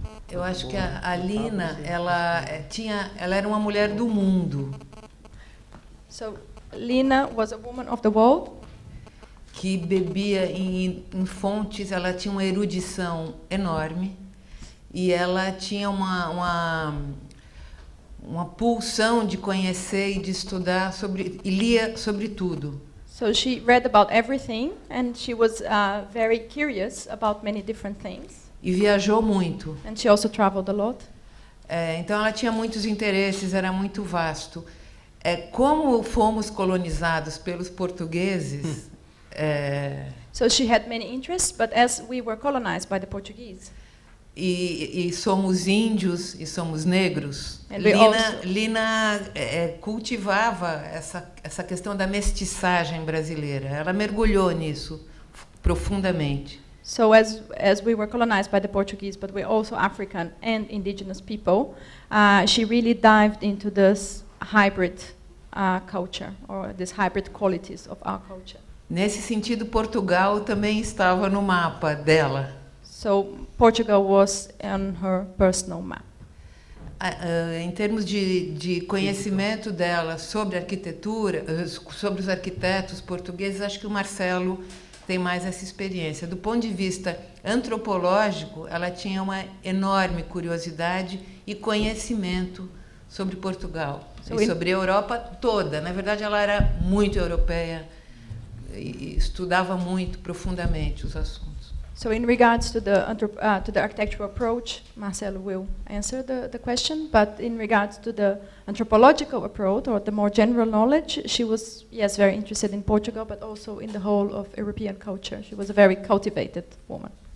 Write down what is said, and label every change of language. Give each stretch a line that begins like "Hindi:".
Portuguese: Eu acho que a Lina, ela era uma mulher do mundo.
English: So, Lina was a woman of the world.
Portuguese: Que bebia em fontes, ela tinha uma erudição enorme. E ela tinha uma pulsão de conhecer e de estudar sobre, e lia sobre tudo.
English: So she read about everything and she was very curious about many different things.
Portuguese: E viajou muito.
English: And she also traveled a lot.
Portuguese: Então ela tinha muitos interesses, era muito vasto. Como fomos colonizados pelos portugueses?
English: So she had many interests, but as we were colonized by the Portuguese.
Portuguese: E somos índios e somos negros. Lina cultivava essa questão da mestiçagem brasileira. Ela mergulhou nisso profundamente.
English: So as we were colonized by the Portuguese, but we're also African and indigenous people, she really dived into this hybrid culture, or this hybrid qualities of our culture.
Portuguese: Nesse sentido, Portugal também estava no mapa dela.
English: So Portugal was on her personal map.
Portuguese: Em termos de conhecimento dela sobre arquitetura, sobre os arquitetos portugueses, acho que o Marcelo tem mais essa experiência. Do ponto de vista antropológico, ela tinha uma enorme curiosidade e conhecimento sobre Portugal e sobre a Europa toda. Na verdade, ela era muito europeia e estudava muito profundamente os assuntos.
English: So in regards to the architectural approach, Marcelo will answer the question, but in regards to the anthropological approach or the more general knowledge, she was, yes, very interested in Portugal, but also in the whole of European culture. She was a very cultivated woman.